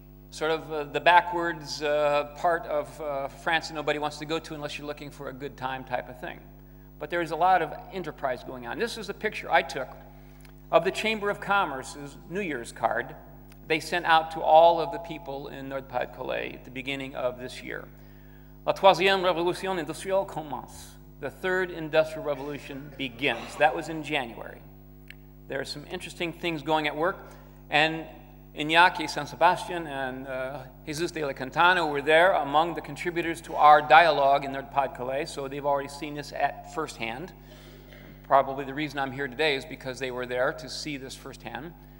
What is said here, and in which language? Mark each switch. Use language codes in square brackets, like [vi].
[en] Sort of the backwards part of France that nobody wants to go to unless you're looking for a good time type of thing. But there is a lot of enterprise going on. This is a picture I took of the Chamber of Commerce's New Year's card they sent out to all of the people in Nord-Pas-de-Calais at the beginning of this year. [fr] La troisième révolution industrielle commence. [en] The third industrial revolution begins. That was in January. There are some interesting things going at work. And Iñaki San Sebastian and Jesus de la Quintana were there among the contributors to our dialogue in Nord-Pas-de-Calais, so they've already seen this at firsthand. Probably the reason I'm here today is because they were there to see this firsthand.